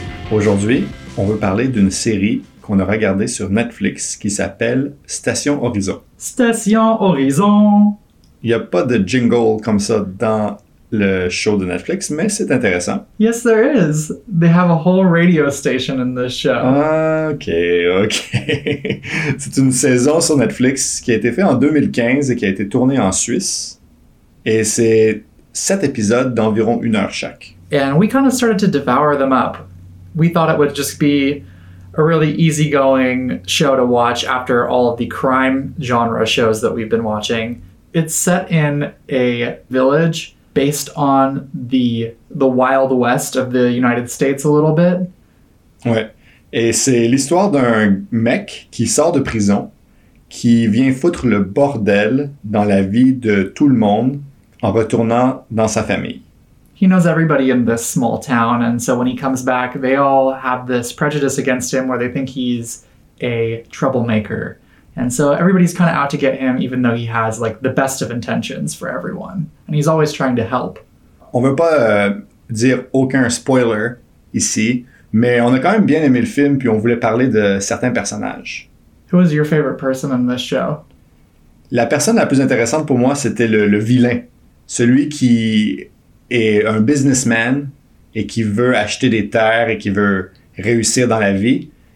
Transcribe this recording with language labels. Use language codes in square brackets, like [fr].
[fr] Aujourd'hui, on veut parler d'une série qu'on a regardée sur Netflix qui s'appelle Station Horizon. Station Horizon! Il n'y a pas de jingle comme ça dans le show de Netflix, mais c'est intéressant. [en] Yes, there is. They have a whole radio station in this show. OK, OK. [fr] C'est une saison sur Netflix qui a été faite en 2015 et qui a été tournée en Suisse. Et c'est 7 épisodes d'environ une heure chaque. [en] And we kind of started to devour them up. We thought it would just be a really easygoing show to watch after all of the crime genre shows that we've been watching. It's set in a village based on the Wild West of the United States a little bit. [fr] Ouais. Et c'est l'histoire d'un mec qui sort de prison, qui vient foutre le bordel dans la vie de tout le monde en retournant dans sa famille. [en] He knows everybody in this small town, and so when he comes back, they all have this prejudice against him where they think he's a troublemaker. And so everybody's kind of out to get him, even though he has, like, the best of intentions for everyone. And he's always trying to help. [fr] On veut pas dire aucun spoiler ici, mais on a quand même bien aimé le film, puis on voulait parler de certains personnages. [en] Who is your favorite person in this show? [fr] La personne la plus intéressante pour moi, c'était le vilain. Celui qui est un businessman et qui veut acheter des terres et qui veut réussir dans la vie.